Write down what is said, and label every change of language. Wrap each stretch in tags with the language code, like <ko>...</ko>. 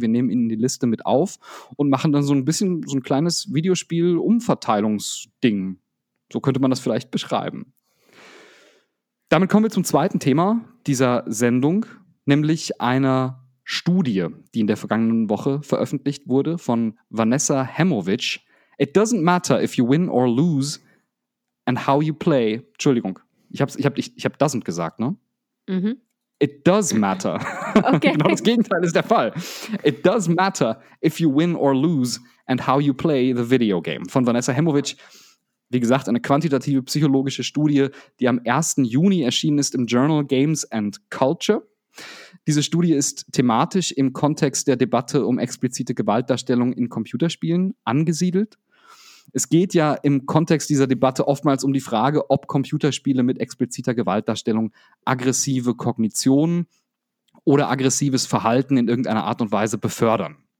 <de>Wir nehmen ihn in die Liste mit auf und machen dann so ein bisschen so ein kleines Videospiel-Umverteilungsding. So könnte man das vielleicht beschreiben. Damit kommen wir zum zweiten Thema dieser Sendung, nämlich einer Studie, die in der vergangenen Woche veröffentlicht wurde von Vanessa Hemovich.</de> <en>It doesn't matter if you win or lose and how you play.</en> <de>Entschuldigung, ich hab</de> <en>doesn't</en> <de>gesagt, ne? Mhm.</de> <en>It does matter. Okay.</en> <de>Genau das Gegenteil ist der Fall.</de> <en>It does matter if you win or lose and how you play the video game.</en> <de>Von Vanessa Hemovich. Wie gesagt, eine quantitative psychologische Studie, die am 1. Juni erschienen ist im Journal Games and Culture. Diese Studie ist thematisch im Kontext der Debatte um explizite Gewaltdarstellung in Computerspielen angesiedelt. Es geht ja im Kontext dieser Debatte oftmals um die Frage, ob Computerspiele mit expliziter Gewaltdarstellung aggressive Kognition oder aggressives Verhalten in irgendeiner Art und Weise befördern.</de>